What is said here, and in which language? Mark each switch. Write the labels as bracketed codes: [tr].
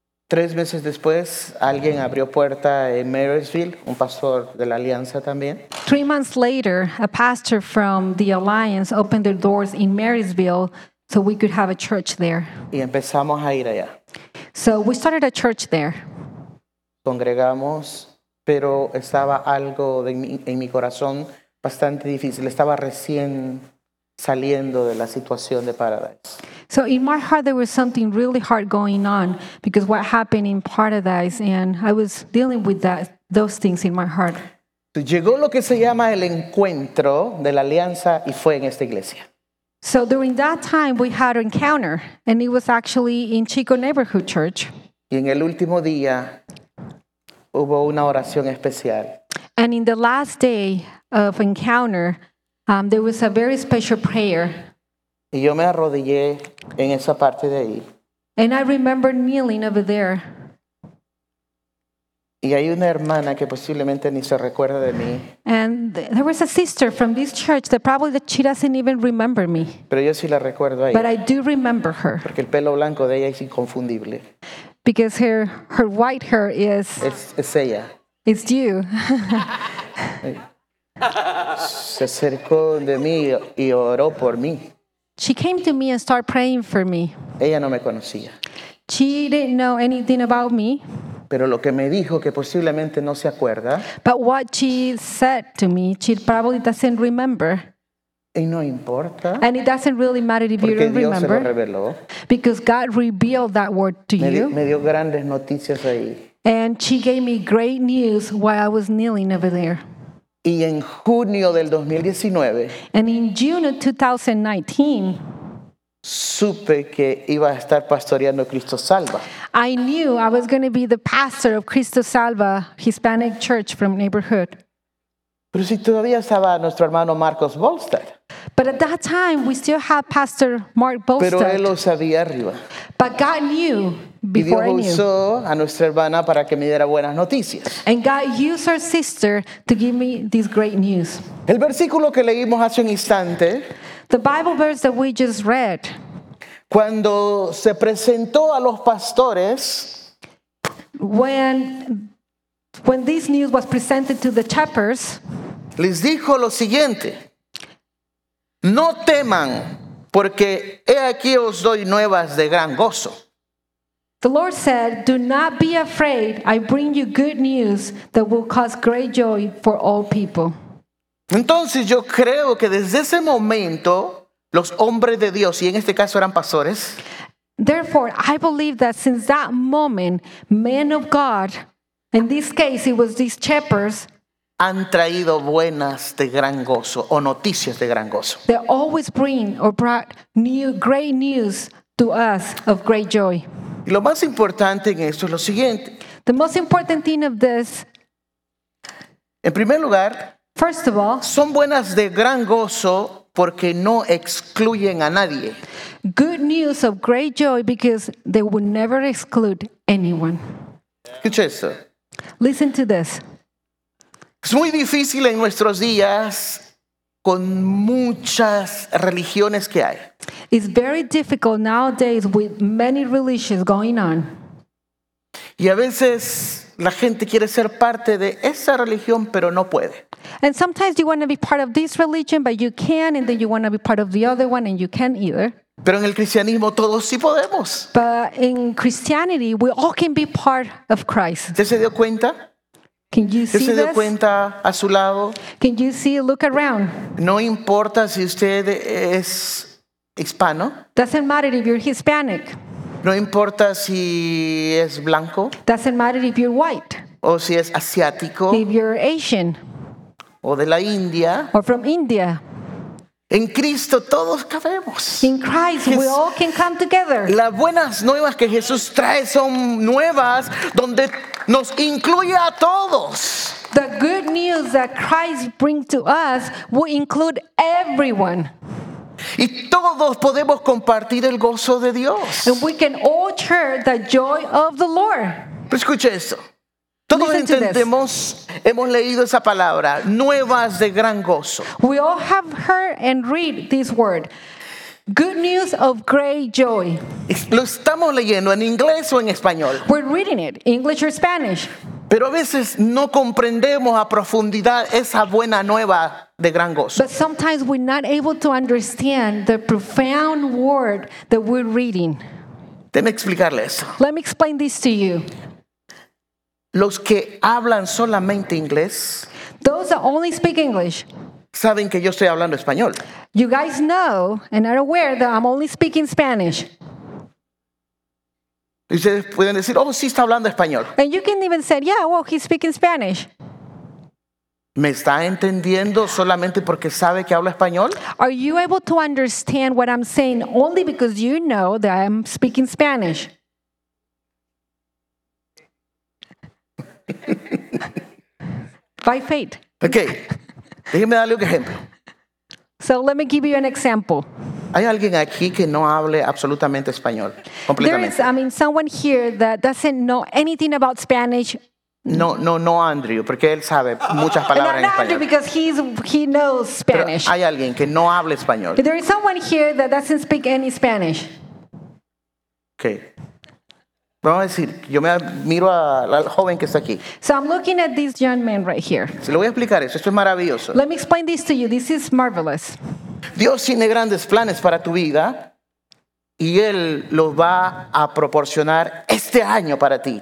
[es] 3 meses después, alguien abrió puerta en Marysville, un pastor de la Alianza también. [en] 3 months later, a pastor from the Alliance opened their doors in Marysville so we could have a church there. [es] Y empezamos a ir allá. [en] So we started a church there. [es] Congregamos, pero estaba algo en mi corazón bastante difícil. Estaba recién saliendo de la situación de Paradise. [en] So in my heart there was something really hard going on because what happened in Paradise, and I was dealing with those things in my heart. [es] Llegó lo que se llama el encuentro de la Alianza y fue en esta iglesia. [en] So during that time we had an encounter and it was actually in Chico Neighborhood Church. [es] Y en el último día hubo una oración especial. [en] And in the last day of encounter there was a very special prayer. [es] Y yo me arrodillé en esa parte de ahí. [en] And I remember kneeling over there. [es] Y hay una hermana que posiblemente ni se recuerda de mí. [en] And there was a sister from this church that probably that she doesn't even remember me. [es] Pero yo sí la recuerdo ahí. [en] But I do remember her. [es] Porque el pelo blanco de ella es inconfundible. [en] Because her white hair is... [es] Es ella. [en] It's you. [es] Se acercó de mí y oró por mí. [en] She came to me and started praying for me. [es] Ella no me conocía. [en] She didn't know anything about me. [es] Pero lo que me dijo que posiblemente no se acuerda. [en] But what she said to me, she probably doesn't remember. Y no importa. And it doesn't really matter if [es] Porque [en] you don't remember. [es] Dios se lo reveló. [en] Because God revealed that word to me, you. [es] Me dio grandes noticias ahí. [en] And she gave me great news while I was kneeling over there. [es] Y en junio del 2019. [en] And in June of 2019. [es] Supe que iba a estar pastoreando Cristo Salva. [en] I knew I was going to be the pastor of Cristo Salva Hispanic Church from neighborhood. [es] Pero si todavía estaba nuestro hermano Marcos Bolster. [en] But at that time we still had Pastor Mark Bolster. [es] Pero él lo sabía arriba. [en] But God knew before I knew. [es] Y Dios usó a nuestra hermana para que me diera buenas noticias. [en] And God used our sister to give me this great news. [es] El versículo que leímos hace un instante. [en] The Bible verse that we just read. [es] Cuando se presentó a los pastores. [en] When this news was presented to the shepherds. [es] Les dijo lo siguiente. No teman, porque he aquí os doy nuevas de gran gozo. [en] The Lord said, do not be afraid. I bring you good news that will cause great joy for all people. [es] Entonces yo creo que desde ese momento los hombres de Dios, y en este caso eran pastores. [en] Therefore, I believe that since that moment, men of God, in this case it was these shepherds, [es] han traído buenas de gran gozo o noticias de gran gozo. [en] They always bring or brought new great news to us of great joy. [es] Y lo más importante en esto es lo siguiente. [en] The most important thing of this. [es] En primer lugar. [en] First of all, [es] son buenas de gran gozo porque no excluyen a nadie. [en] Good news of great joy because they will never exclude anyone. [es] Escucha esto. [en] Listen to this. [es] Es muy difícil en nuestros días con muchas religiones que hay. [en] It's very difficult nowadays with many religions going on. [es] Y a veces la gente quiere ser parte de esa religión, pero no puede. [en] And sometimes you want to be part of this religion, but you can, and then you want to be part of the other one, and you can't either. [es] Pero en el cristianismo todos sí podemos. [en] But in Christianity, we all can be part of Christ. [es] ¿Ya se dio cuenta? [en] Can you see [es] ¿Ya se dio [en] this? [es] Cuenta a su lado? [en] Can you see, look around? [es] No importa si usted es hispano. [en] Doesn't matter if you're Hispanic. [es] No importa si es blanco. [en] Doesn't matter if you're white. [es] O si es asiático. [en] If you're Asian. [es] O de la India. [en] Or from India. [es] En Cristo todos cabemos. [en] In Christ we all can come together. [es] Las buenas nuevas que Jesús trae son nuevas donde nos incluye a todos. [en] The good news that Christ brings to us will include everyone. [es] Y todos podemos compartir el gozo de Dios. [en] And we can all share the joy of the Lord. [es] Pero escucha esto. Todos [en] Listen [es] entendemos, hemos leído esa palabra, nuevas de gran gozo. [en] We all have heard and read this word. Good news of great joy. [es] Lo estamos leyendo en inglés o en español. [en] We're reading it, English or Spanish. [es] Pero a veces no comprendemos a profundidad esa buena nueva de gran gozo. [en] But sometimes we're not able to understand the profound word that we're reading. [es] Déjame explicarle eso. [en] Let me explain this to you. [es] Los que hablan solamente inglés. [en] Those that only speak English. [es] Saben que yo estoy hablando español. [en] You guys know and are aware that I'm only speaking Spanish. [es] Y ustedes pueden decir, oh, sí está hablando español. [en] And you can even say, yeah, well, he's speaking Spanish. [es] ¿Me está entendiendo solamente porque sabe que hablo español? [en] Are you able to understand what I'm saying only because you know that I'm speaking Spanish? By faith. [es] Okay. Déjeme darle un ejemplo. [en] So let me give you an example. [es] ¿Hay alguien aquí que no hable absolutamente español? [en] There is, I mean, someone here that doesn't know anything about Spanish. [es] No, no, no Andrew, porque él sabe muchas palabras [en] not [es] en español. [en] Andrew because he knows Spanish. [es] Pero hay alguien que no hable español. [en] But there is someone here that doesn't speak any Spanish. Okay. [es] Vamos a decir, yo me miro al joven que está aquí. [en] So I'm looking at this young man right here. [es] Se lo voy a explicar eso, esto es maravilloso. [en] Let me explain this to you, this is marvelous. [es] Dios tiene grandes planes para tu vida. Y él lo va a proporcionar este año para ti.